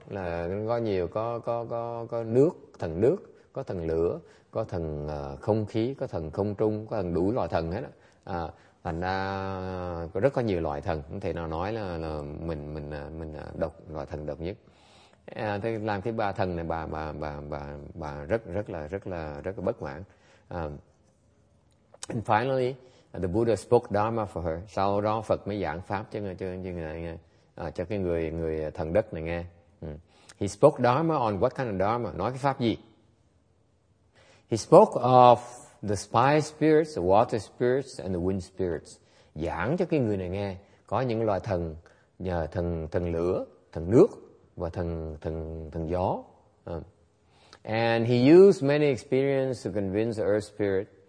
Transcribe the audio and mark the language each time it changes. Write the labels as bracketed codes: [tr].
[vi] Là có nhiều có nước, có thần lửa, có thần không khí, có thần không trung, có thần đủ loại thần hết á. Thành ra có rất có nhiều loại thần, không thể nào nói là mình độc, loại thần độc nhất. Thế làm cái ba thần này bà rất là bất mãn. [en] And finally the Buddha spoke dharma for her. [vi] Sau đó Phật mới giảng pháp cho cái người thần đất này nghe. [en] He spoke dharma on what kind of dharma? [vi] Nói cái pháp gì? [en] He spoke of the fire spirits, the water spirits, and the wind spirits. [vi] Giảng cho cái người này nghe có những loài thần, nhờ thần lửa, thần nước và thần gió. [en] And he used many experiences to convince the earth spirit.